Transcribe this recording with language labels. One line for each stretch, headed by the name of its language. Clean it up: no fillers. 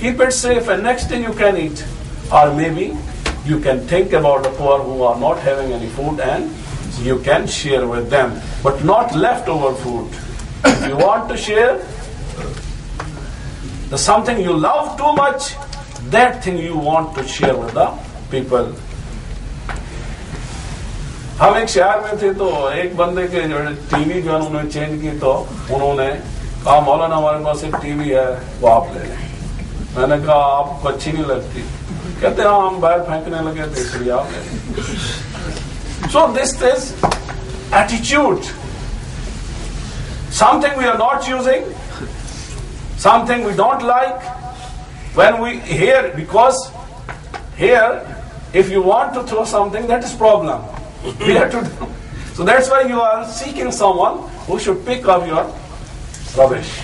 English: Keep it safe and next thing you can eat. Or maybe you can think about the poor who are not having any food and you can share with them, but not leftover food. If you want to share the something you love too much, that thing you want to share with the people.
Hindi: हम एक शहर में थे तो एक बंदे के जो टीवी जो उन्होंने चेंज की तो उन्होंने कहा मौलाना हमारे पास एक टीवी है वो आप ले लें. मैंने कहा आपको अच्छी नहीं लगती. कहते हाँ हम बाहर फेंकने लगे थे इसलिए आप ले.
English: So this is attitude. Something we are not using, something we don't like, when we hear, because here, if you want to throw something, that is problem. We have to do. So that's why you are seeking someone who should pick up your rubbish.